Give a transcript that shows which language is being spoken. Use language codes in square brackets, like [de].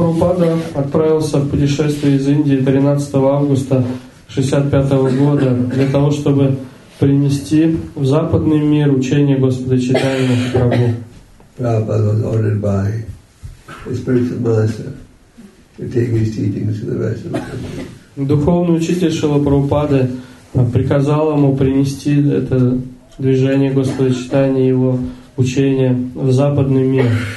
[ru] Шрила в путешествие из Индии 13 августа 1965 года для того, чтобы принести в западный мир учение Господа Чайтанья Махапрабху. [en] Prabhupada was ordered by his spiritual master to take his teachings to the rest of the country. [ru] Духовный учитель Шрила Прабхупады приказал ему принести это движение Господа Чайтанья и его учение в западный мир.